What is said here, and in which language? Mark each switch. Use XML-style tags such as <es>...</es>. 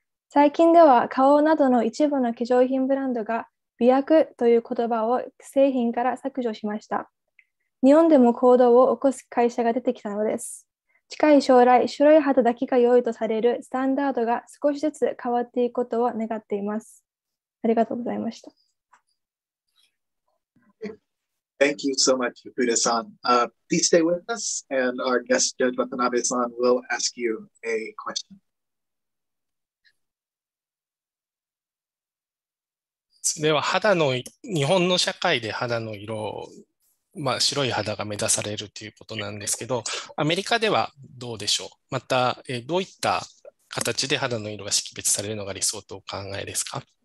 <ja>最近では顔などの一部の化粧品ブランドが美白という言葉を製品から削除しました。日本でも行動を起こす会社が出てきたのです。近い将来、白い肌だけが良いとされるスタンダードが少しずつ変わっていくことを願っています。ありがとうございました。</ja> <en>Thank you so much, Fukuda-san. Please stay with us, and our guest Judge Watanabe-san will ask you a question.</en> <ja>肌の日本の社会で肌の色、まあ、白い肌が目指されるということなんですけど、アメリカではどうでしょう。また、どういった形で肌の色が識別されるのが理想とお考えですか。</ja>